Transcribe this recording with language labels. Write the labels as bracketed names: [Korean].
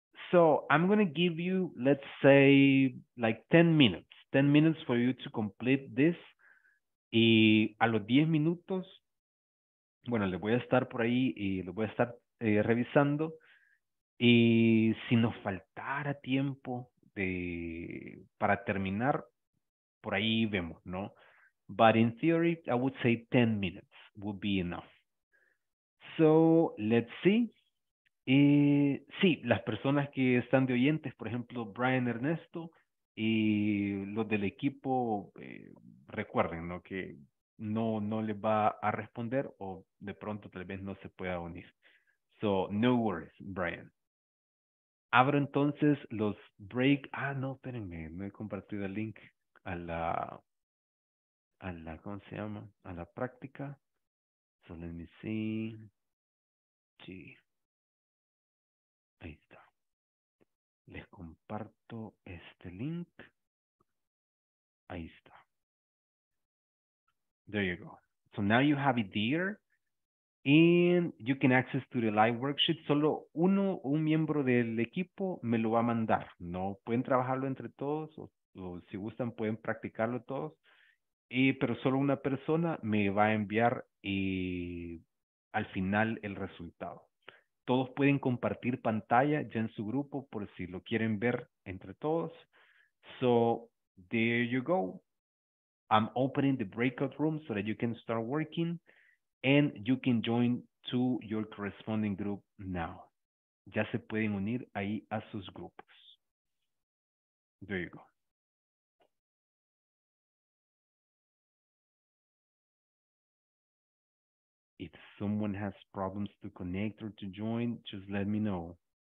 [English] So I'm going to give you, let's say, like 10 minutes. 10 minutes for you to complete this. [Spanish] Y a los 10 minutos, bueno, le voy a estar por ahí y lo voy a estar revisando. Y si nos faltara tiempo para terminar, por ahí vemos, ¿no? [English] But in theory, I would say 10 minutes would be enough. So let's see. [Spanish] Sí, las personas que están de oyentes, por ejemplo, Brian Ernesto y los del equipo, recuerden, ¿no? Que no les va a responder o de pronto tal vez no se pueda unir. [English] So, no worries, [Spanish] Brian. Abro entonces los break. Ah, no, espérenme, no he compartido el link a la, ¿cómo se llama? A la práctica. [English] So, let me see. [Spanish] Sí. Ahí está. Les comparto este link. Ahí está. [English] There you go. So now you have it there. And you can access to the live worksheet. [Spanish] Solo un miembro del equipo me lo va a mandar. No pueden trabajarlo entre todos. O si gustan, pueden practicarlo todos. Y pero solo una persona me va a enviar y al final el resultado. Todos pueden compartir pantalla ya en su grupo por si lo quieren ver entre todos. [English] So, there you go. I'm opening the breakout room so that you can start working and you can join to your corresponding group now. [Spanish] Ya se pueden unir ahí a sus grupos. [English] There you go. If someone has problems to connect or to join, just let me know.